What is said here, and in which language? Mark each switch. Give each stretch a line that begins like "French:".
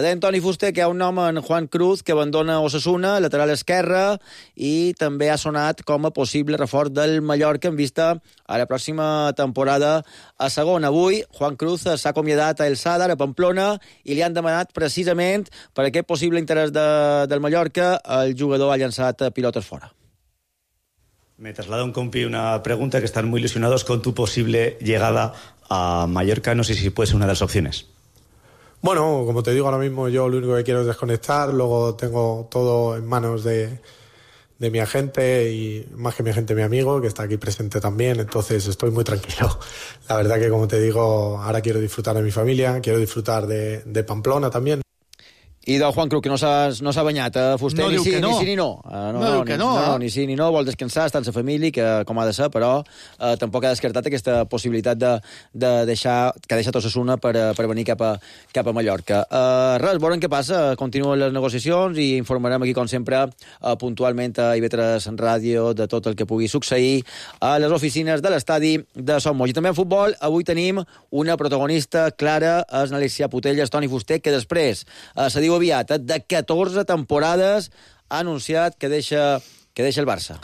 Catalan: Deia en Toni Fuster que hi ha un nom, en Juan Cruz, que abandona Osasuna, lateral esquerre, i també ha sonat com a possible reforç del Mallorca en vista a la pròxima temporada a segona. Avui, Juan Cruz s'ha acomiadat a El Sadar, a Pamplona, i li han demanat precisament per aquest possible interès del Mallorca el jugador a llançar pilotes fuera.
Spanish: Me traslado un compi una pregunta, que están muy ilusionados con tu posible llegada a Mallorca. No sé si puede ser una de las opciones. Bueno, como te digo, ahora mismo yo lo único que quiero es desconectar. Luego tengo todo en manos de, de mi agente y más que mi agente, mi amigo, que está aquí presente también. Entonces estoy muy tranquilo. La verdad que, como te digo, ahora quiero disfrutar de mi familia, quiero disfrutar de Pamplona también.
Catalan: I del Juan Cruz, que no s'ha banyat, Fuster, no, ni, sí, no. Ni sí ni no. No, ni sí ni no, vol descansar, estar amb la família, que com ha de ser, però tampoc ha descartat aquesta possibilitat de deixar, que deixa tot Osasuna per venir cap a Mallorca. Res, veurem què passa, continuen les negociacions i informarem aquí, com sempre, puntualment a IB3 Ràdio de tot el que pugui succeir a les oficines de l'estadi de Son Moix. I també en futbol, avui tenim una protagonista clara, és l'Alicia Putellas, Toni Fuster, que després se diu aviat, de 14 temporades ha anunciat que deixa el Barça.